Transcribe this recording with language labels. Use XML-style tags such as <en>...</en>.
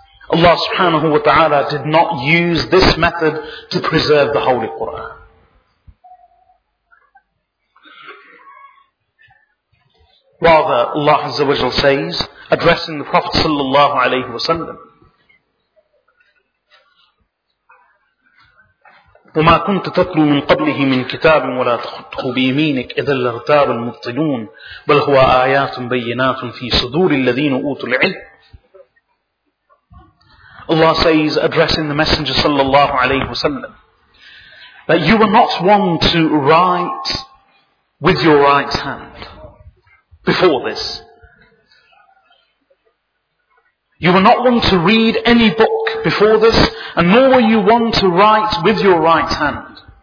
<en>Allah subhanahu wa ta'ala did not use this method to preserve the Holy Quran. Rather, Allah Azza wa Jalla says, addressing the Prophet sallallahu alayhi wa sallam,</en> <ar>وَمَا كُنْتَ تَتْلُو مِنْ قَبْلِهِ مِنْ كِتَابٍ وَلَا تَخُطُّهُ بِيمِينِكَ إِذًا لَارْتَابَ الْمُبْطِلُونَ بَلْ هُوَ آيَاتٌ بَيِّنَاتٌ فِي صُدُورِ الَّذِينَ أُوتُوا الْعِلْمَ.</ar> <en>Allah says, addressing the Messenger sallallahu alayhi wa sallam, that you were not one to write with your right hand before this. You were not one to read any book before this, and nor were you one to write with your right hand.</en>